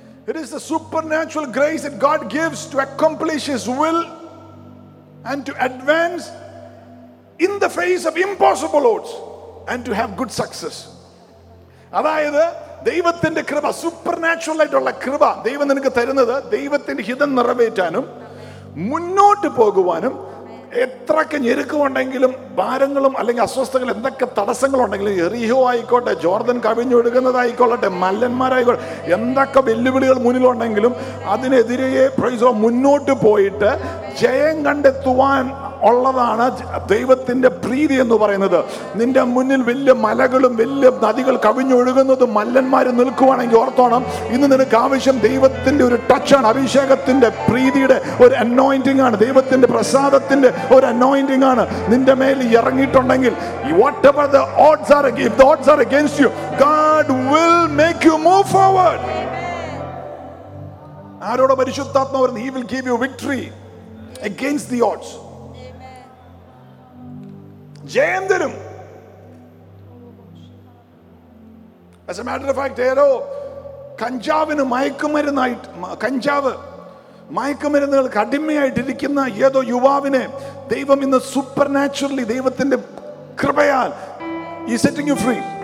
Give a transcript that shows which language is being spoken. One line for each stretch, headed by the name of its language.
English: It is the supernatural grace that God gives to accomplish His will and to advance in the face of impossible odds and to have good success.
Malayalam: അതായത് ദൈവത്തിന്റെ കൃപ, supernatural ആയിട്ടുള്ള കൃപ ദൈവം നിനക്ക് തരുന്നത് ദൈവത്തിന്റെ ഹിതം നിറവേറ്റാനും മുന്നോട്ട് പോകുവാനും, എത്രക്കെ ഞെരുക്കുമുണ്ടെങ്കിലും ഭാരങ്ങളും അല്ലെങ്കിൽ അസ്വസ്ഥകൾ എന്തൊക്കെ തടസ്സങ്ങളുണ്ടെങ്കിലും, എറിഹോ ആയിക്കോട്ടെ, ജോർദൻ കവിഞ്ഞൊഴുകുന്നതായിക്കൊള്ളട്ടെ, മല്ലന്മാരായിക്കോട്ടെ, എന്തൊക്കെ വെല്ലുവിളികൾ മുന്നിലുണ്ടെങ്കിലും അതിനെതിരെ പ്രൈസോ മുന്നോട്ട് പോയിട്ട് ജയം കണ്ടെത്തുവാൻ ഉള്ളതാണ് ദൈവത്തിന്റെ പ്രീതി എന്ന് പറയുന്നത്. നിന്റെ മുന്നിൽ വലിയ മലകളും വലിയ നദികൾ കവിഞ്ഞൊഴുകുന്നതും മല്ലന്മാരും നിൽക്കുവാണെങ്കിൽ ഓർത്തോണം, ഇന്ന് നിനക്ക് ആവശ്യം ദൈവത്തിന്റെ ഒരു ടച്ചാണ്, അഭിഷേകത്തിന്റെ പ്രീതിയുടെ ഒരു അനോയിന്റിംഗ് ആണ്, ദൈവത്തിന്റെ പ്രസാദത്തിന്റെ ഒരു അനോയിന്റിംഗ് ആണ് നിന്റെ മേൽ ഇറങ്ങിയിട്ടുണ്ടെങ്കിൽ.
English: Whatever the odds are, if the odds are against you, God will make you move forward.
Malayalam: ആരോട് പരിശുദ്ധാത്മാവ് പറയുന്നു,
English: He will give you victory against the odds.
Malayalam: ജയം തരും.
English: As a matter of fact,
Malayalam: ഏതോ കഞ്ചാവിന് മയക്കുമരുന്നായിട്ട്, കഞ്ചാവ് മയക്കുമരുന്നുകൾക്ക് അടിമയായിട്ടിരിക്കുന്ന ഏതോ യുവാവിനെ ദൈവം ഇന്ന് സൂപ്പർനാച്ചുറലി ദൈവത്തിന്റെ കൃപയാൽ
English: ഈ setting you free.